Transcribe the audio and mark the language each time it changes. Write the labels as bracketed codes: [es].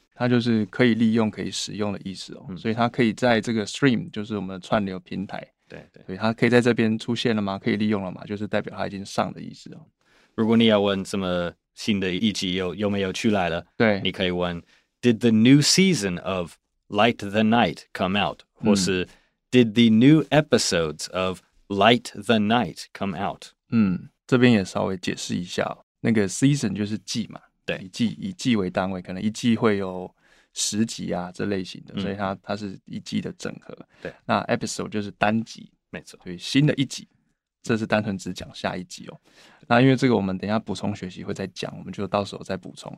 [zh] 它就是可以利用、可以使用的意思哦。所以它可以在这个 stream， 就是我们的串流平台，对，所以它可以在这边出现了吗？可以利用了吗？就是代表它已经上的意思哦。如果你要问什么？新的一集有没有出来了？对，你可以问 [en] ，Did the new season of Light the Night come out？ [zh] 或是 [en] Did the new episodes of Light the Night come out？ [zh] 这边也稍微解释一下，那个 season 就是季嘛，对，以季为单位，可能一季会有十集啊这类型的，所以它是一季的整合。对，那 episode 就是单集，没错，对，新的一集。这是单纯只讲下一集哦，那因为这个我们等一下补充学习会再讲，我们就到时候再补充。